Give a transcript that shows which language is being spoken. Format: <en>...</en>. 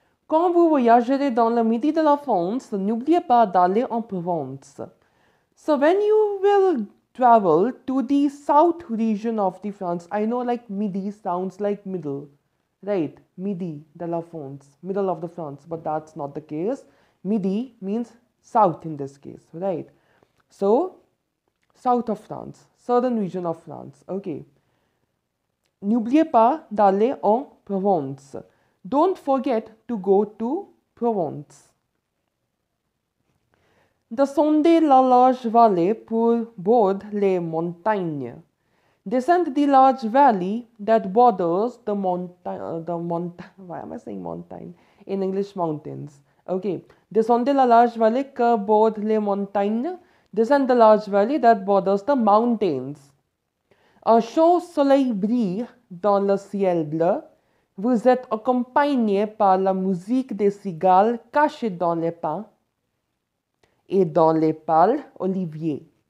<fr>Quand vous voyagerez dans le midi de la France, n'oubliez pas d'aller en Provence.</fr> <en>So, when you will travel to the south region of the France, I know like midi sounds like middle, right?</en> <fr>Midi de la France,</fr> <en>middle of the France, but that's not the case. Midi means south in this case, right? So, south of France, southern region of France, okay.</en> <fr>N'oubliez pas d'aller en Provence.</fr> <en>Don't forget to go to Provence.</en> <fr>Descendez la large vallée pour border les montagnes.</fr> <en>Descend the large valley that borders the mountains. Okay.</en> <fr>Descendez la large vallée que border les montagnes.</fr> <en>Descend the large valley that borders the mountains.</en> <fr>Un chaud soleil brille dans le ciel bleu. Vous êtes accompagné par la musique des cigales cachées dans les pins et dans les pales oliviers.</fr>